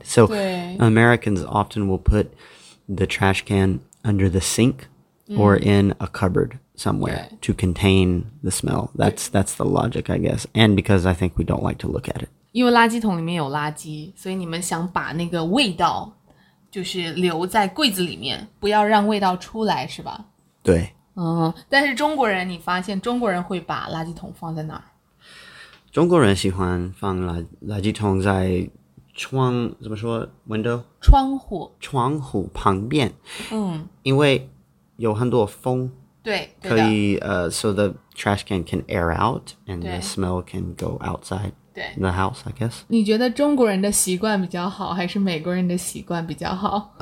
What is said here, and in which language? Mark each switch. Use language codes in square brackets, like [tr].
[en] So Americans often will put the trash can under the sink or in a cupboard somewhere to contain the smell. That's the logic, I guess. And because I think we don't like to look at it. [zh] 因为垃圾桶里面有垃圾，所以你们想把那个味道就是留在柜子里面，不要让味道出来，是吧？对。但是中国人，你发现中国人会把垃圾桶放在哪儿？中国人喜欢放垃圾桶在窗，怎么说 ？window 窗户旁边。因为有很多风。对，可以 [en] so the trash can air out and the smell can go outside the house, I guess. [zh] 你觉得中国人的习惯比较好，还是美国人的习惯比较好？